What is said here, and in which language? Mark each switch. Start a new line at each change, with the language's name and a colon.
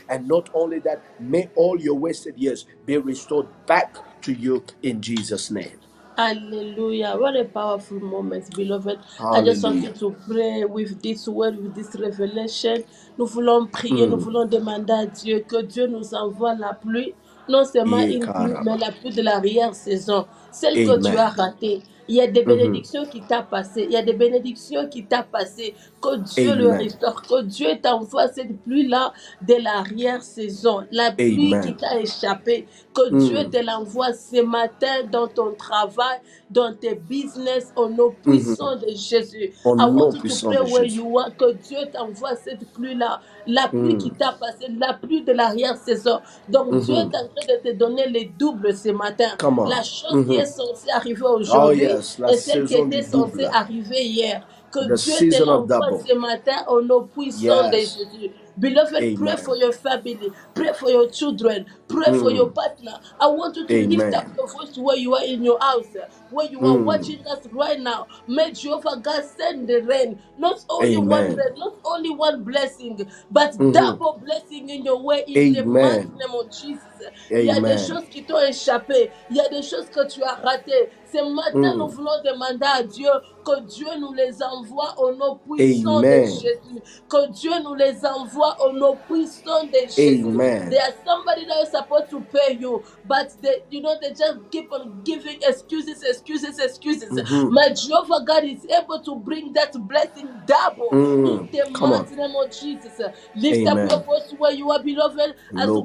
English: And not only that, may all your wasted years be restored back to you in Jesus' name. Hallelujah. What a powerful moment, beloved. Hallelujah. I just want you to pray with this word, with this revelation.
French: Nous voulons prier, nous voulons demander à Dieu que Dieu nous envoie la pluie, non seulement une pluie, mais la pluie de l'arrière-saison, celle que tu as ratée. Il y a des bénédictions qui t'a passé. Il y a des bénédictions qui t'a passé. Que Dieu le restaure. Que Dieu t'envoie cette pluie-là de l'arrière-saison. La pluie qui t'a échappé. Que Dieu te l'envoie ce matin dans ton travail, dans tes business, au nom puissant de Jésus. Au nom puissant de Jésus. Que Dieu t'envoie cette pluie-là. La pluie qui t'a passé. La pluie de l'arrière-saison. Donc Dieu est en train de te donner les doubles ce matin. La chose qui est censée arriver aujourd'hui.
English: Yes,
French: et celle qui était censée arriver hier. Que Dieu te l'envoie ce matin au nom puissant de Jésus.
English: Beloved, pray for your family, pray for your children, pray for your partner. I want you to lift up your voice where you are in your house, where you are watching us right now. May Jehovah God send the rain, not only one rain, not only one blessing, but double blessing in your way in the mighty name of Jesus.
French: Il y a des choses qui t'ont échappé, il y a des choses que tu as ratées. Ce matin, nous voulons demander à Dieu que Dieu nous les envoie au nom puissant de Jésus. Que Dieu nous les envoie au nom puissant de Jésus.
English: Amen. There is somebody that is supposed to pay you, but they just keep on giving excuses. My Jehovah God is able to bring that blessing double in the mighty name of Jesus. Lift up your voice where you are, beloved, as we